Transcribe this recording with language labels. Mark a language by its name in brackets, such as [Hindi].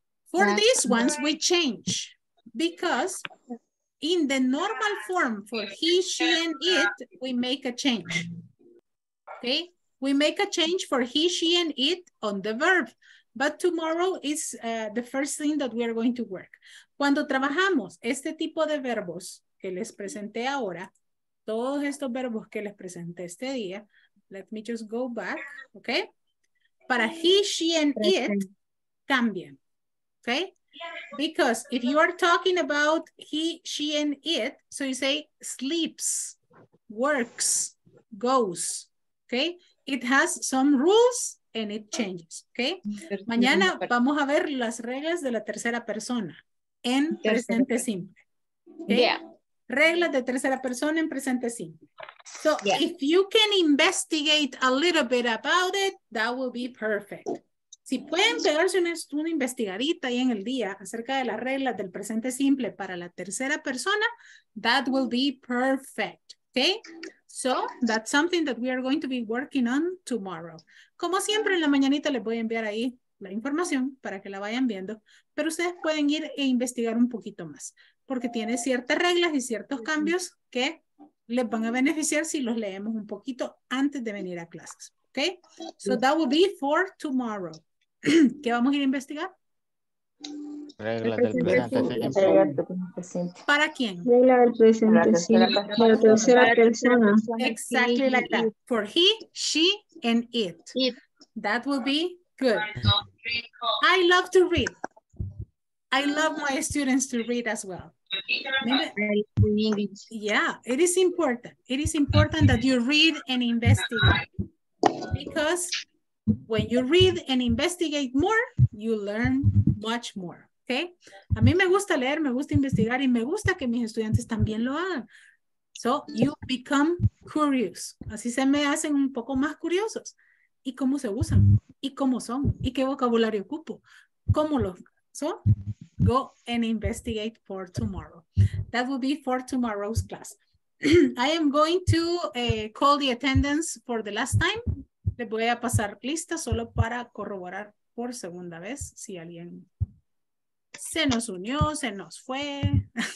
[English] For these ones, we change because in the normal form for he, she, and it, we make a change, okay? We make a change for he, she, and it on the verb, but tomorrow is the first thing that we are going to work. [Spanish] Cuando trabajamos este tipo de verbos que les presenté ahora, todos estos verbos que les presenté este día, [English] let me just go back, okay? [Spanish] Para [English] he, she, and it, [Spanish] cambian, okay? [English] Because if you are talking about he, she, and it, so you say sleeps, works, goes, okay? It has some rules and it changes, okay? [Spanish] Mañana vamos a ver las reglas de la tercera persona en presente simple, okay? [English] Yeah. [Spanish] Reglas de tercera persona en presente simple. [English] So if you can investigate a little bit about it, that will be perfect. [Spanish] Si pueden pegarse una investigadita ahí en el día acerca de las reglas del presente simple para la tercera persona, [English] that will be perfect, okay? So that's something that we are going to be working on tomorrow. [Spanish] Como siempre en la mañanita les voy a enviar ahí la información para que la vayan viendo, pero ustedes pueden ir e investigar un poquito más porque tiene ciertas reglas y ciertos cambios que les van a beneficiar si los leemos un poquito antes de venir a clases. [English] Okay, so that will be for tomorrow. [Spanish] ¿Qué vamos a ir a investigar? Regla del presente simple. ¿Para quién? Regla del presente simple. La tercera persona. [English] Exactly like that. For he, she, and it. That will be good. I love to read. I love my students to read as well. Yeah, it is important. It is important that you read and investigate. Because when you read and investigate more, you learn much more, okay? [Spanish] A mí me gusta leer, me gusta investigar, y me gusta que mis estudiantes también lo hagan. [English] So you become curious. [Spanish] Así se me hacen un poco más curiosos. ¿Y cómo se usan? ¿Y cómo son? ¿Y qué vocabulario ocupo? ¿Cómo lo? [English] So go and investigate for tomorrow. That will be for tomorrow's class. I am going to call the attendance for the last time. [Spanish] Le voy a pasar lista solo para corroborar por segunda vez si alguien se nos unió, se nos fue.